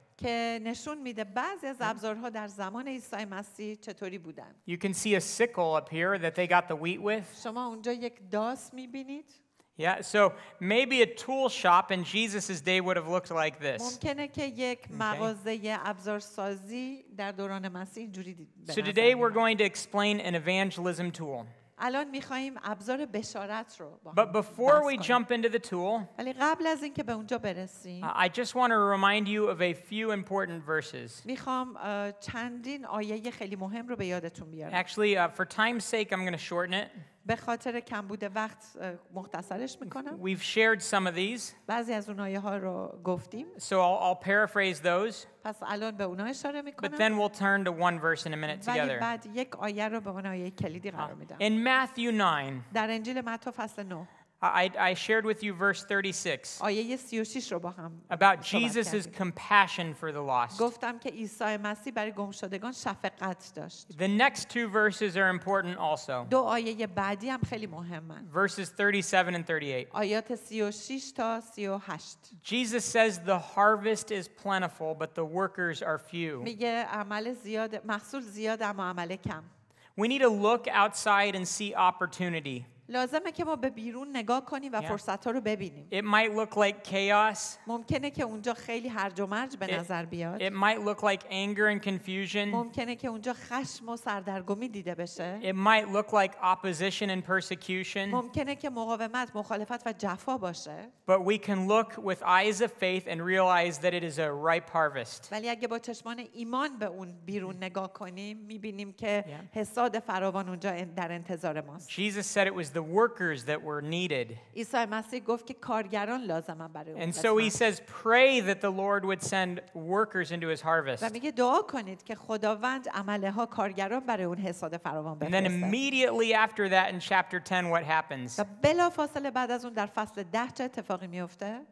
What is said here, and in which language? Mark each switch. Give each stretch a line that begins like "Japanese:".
Persian: که نشون میده بعضی از ابزارها در زمان عیسی مسیح چطوری بودن.
English: You can see a sickle up here that they got the wheat with.
Persian: شما اونجا یک داس میبینید.
English: Yeah, so maybe a tool shop in Jesus's day would have looked like this.
Persian: ممکنه که یک مغازه ابزارسازی در دوران مسیح اینجوری دید.
English: So today we're going to explain an evangelism tool.
Persian: الان می‌خوایم ابزار بشارت رو با
English: But before we jump into the tool,
Persian: ولی قبل از اینکه به اونجا برسیم,
English: I just want to remind you of a few important verses.
Persian: می‌خوام چندین آیه خیلی مهم رو به یادتون بیارم.
English: Actually, for time's sake, I'm going to shorten it.
Persian: به خاطر کمبود وقت مختصرش می‌کنم.
English: We've shared some of these.
Persian: بعضی از اون آیه‌ها رو گفتیم.
English: So I'll paraphrase those.
Persian: پس الان به اون‌ها اشاره می‌کنم.
English: But then we'll turn to one verse in a minute together.
Persian: ولی بعد یک آیه رو به اون آیه کلیدی قرار می‌دم.
English: In Matthew 9.
Persian: در انجیل متا فصل 9.
English: I shared with you verse 36.
Persian: آیه 36 رو با هم.
English: About Jesus's compassion for the lost.
Persian: گفتم که عیسی مسیح برای گم شدگان شفقت داشت.
English: The next two verses are important also.
Persian: دو آیه بعدی هم خیلی مهمن.
English: Verses 37 and 38.
Persian: آیات 36 تا 38.
English: Jesus says the harvest is plentiful but the workers are few.
Persian: میگه عمل زیاد محصول زیاد اما عمل کم.
English: We need to look outside and see opportunity.
Persian: لازمه که ما به بیرون نگاه کنیم و فرصت‌ها رو ببینیم.
English: It might look like chaos.
Persian: ممکنه که اونجا خیلی هرج و مرج به نظر بیاد.
English: It might look like anger and confusion.
Persian: ممکنه که اونجا خشم و سردرگمی دیده بشه.
English: It might look like opposition and persecution.
Persian: ممکنه که مقاومت، مخالفت و جفا باشه.
English: But we can look with eyes of faith and realize that it is a ripe harvest.
Persian: ولی اگه با چشمان ایمان به اون بیرون نگاه کنیم، می‌بینیم که حصاد فراوان اونجا در انتظار ماست.
English: Jesus said it was the workers that were needed.
Persian: عیسی مسیح گفت که کارگران لازمن برای اون.
English: And so he says pray that the Lord would send workers into his harvest.
Persian: و میگه دعا کنید که خداوند عمله ها کارگران برای اون حصاد فراوان بفرسته.
English: And then immediately after that in chapter 10 what happens?
Persian: بلافاصله بعد از اون در فصل 10 چه اتفاقی میفته؟